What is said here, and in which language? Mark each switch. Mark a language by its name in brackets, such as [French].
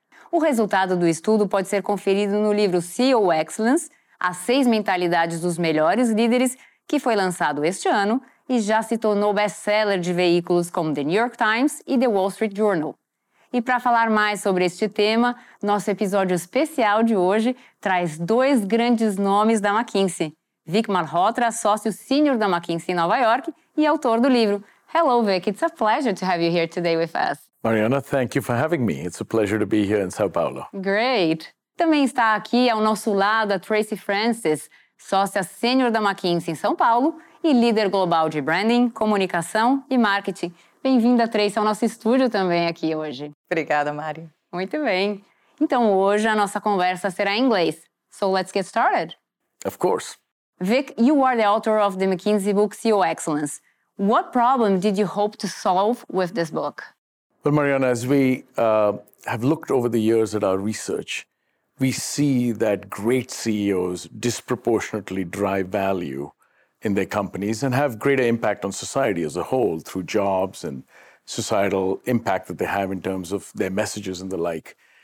[Portuguese] O resultado do estudo pode ser conferido no livro CEO Excellence, As 6 Mentalidades dos Melhores Líderes, que foi lançado este ano e já se tornou best-seller de veículos como The New York Times e The Wall Street Journal. E para falar mais sobre este tema, nosso episódio especial de hoje traz 2 grandes nomes da McKinsey. Vic Malhotra, sócio sênior da McKinsey em Nova York e autor do livro. [English] Hello, Vic. It's a pleasure to have you here today with us. Mariana, thank you for having me. It's a pleasure to be here in São Paulo. Great. [Portuguese] Também está aqui ao nosso lado a Tracy Francis, sócia sênior da McKinsey em São Paulo e líder global de branding, comunicação e marketing. Bem-vinda, Tracy, ao nosso estúdio também aqui hoje. Obrigada, Mari. Muito bem. Então, hoje a nossa conversa será em inglês. [English] So, let's get started. Of course. Vic, you are the author of the McKinsey book CEO Excellence. What problem did you hope to solve with this book? Well, Mariana, as we have looked over the years at our research, we see that great CEOs disproportionately drive value in their companies and have greater impact on society as a whole through jobs and societal impact that they have in terms of their messages and the like.